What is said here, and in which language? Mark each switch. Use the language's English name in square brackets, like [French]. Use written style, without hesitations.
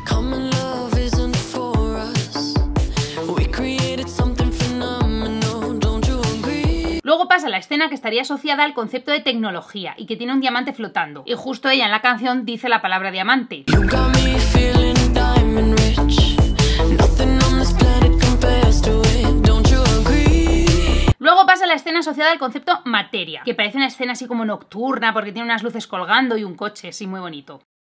[English] Come on, love isn't for us. We created something phenomenal, don't you agree? [Spanish] Luego pasa la escena que estaría asociada al concepto de tecnología y que tiene un diamante flotando. Y justo ella en la canción dice la palabra diamante. [English] You got me feeling diamond rich. Nothing on this planet compares to it, don't you agree? [Spanish] Luego pasa la escena asociada al concepto materia, que parece una escena así como nocturna porque tiene unas luces colgando y un coche así muy bonito.